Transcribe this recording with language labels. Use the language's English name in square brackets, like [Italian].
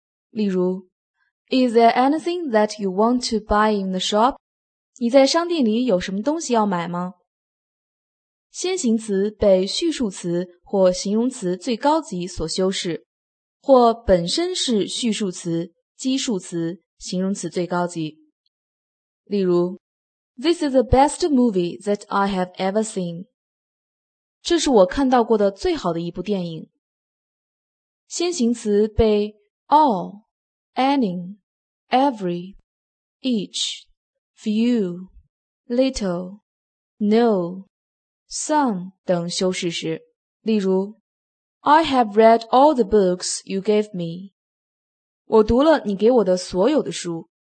[Chinese] 例如 [English] Is there anything that you want to buy in the shop? [Chinese] 你在商店里有什么东西要买吗？先行词被叙述词或形容词最高级所修饰，或本身是叙述词、基数词、形容词最高级。例如 [English] This is the best movie that I have ever seen. [Chinese] 这是我看到过的最好的一部电影。先行词被 all, any, every, each, few, little, no,some 等修饰时，例如 [English] I have read all the books you gave me. [Chinese] 我读了你给我的所有的书。